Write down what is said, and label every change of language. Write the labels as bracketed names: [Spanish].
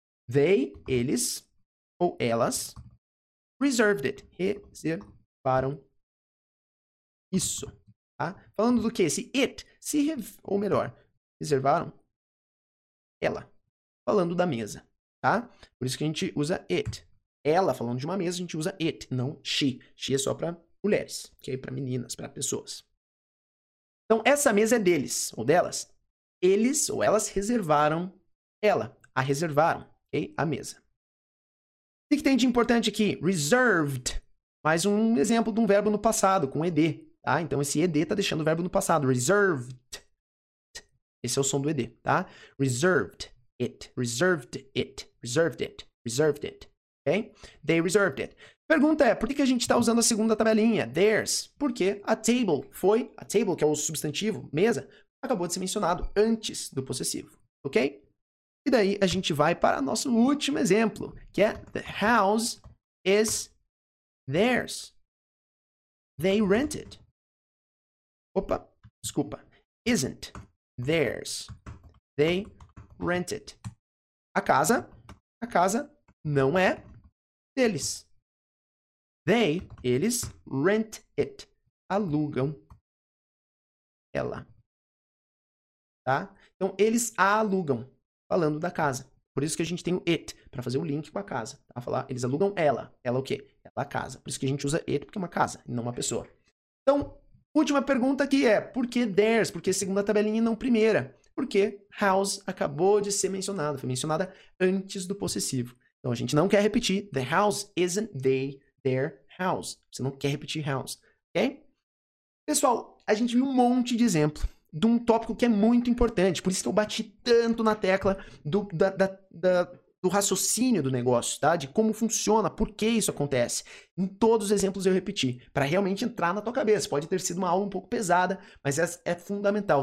[English] They, [Portuguese] eles ou elas [English] reserved it. [Portuguese] Reservaram isso. Tá? Falando do quê? Se it, se, ou melhor, reservaram ela. Falando da mesa, tá? Por isso que a gente usa it. Ela falando de uma mesa, a gente usa it, não she. She é só para mulheres, que é para meninas, para pessoas. Então, essa mesa é deles ou delas? Eles ou elas reservaram ela. A reservaram, ok? A mesa. O que tem de importante aqui? Reserved. Mais um exemplo de um verbo no passado, com ed, tá? Então, esse ed tá deixando o verbo no passado. Reserved. Esse é o som do ed, tá? Reserved. [English] It, reserved it, reserved it, reserved it, ok? They reserved it. [Portuguese] Pergunta é, por que que a gente está usando a segunda tabelinha, theirs? Porque a table foi, a table, que é o substantivo, mesa, acabou de ser mencionado antes do possessivo, ok? E daí a gente vai para nosso último exemplo, que é [English] the house is theirs. They rented. [Portuguese] Opa, desculpa. [English] Isn't theirs. They rented. [Portuguese] A casa não é deles. They, eles, [English] rent it. [Portuguese] Alugam ela. Tá? Então, eles a alugam, falando da casa. Por isso que a gente tem o it, para fazer o link com a casa. Tá? Falar, eles alugam ela. Ela o quê? Ela a casa. Por isso que a gente usa it, porque é uma casa, não uma pessoa. Então, última pergunta aqui é, por que theirs? Por que segunda tabelinha e não primeira? Porque house acabou de ser mencionada. Foi mencionada antes do possessivo. Então, a gente não quer repetir. [English] The house isn't they, their house. [Portuguese] Você não quer repetir house, ok? Pessoal, a gente viu um monte de exemplo de um tópico que é muito importante. Por isso que eu bati tanto na tecla do raciocínio do negócio, tá? De como funciona, por que isso acontece. Em todos os exemplos eu repeti, para realmente entrar na tua cabeça. Pode ter sido uma aula um pouco pesada, mas é fundamental.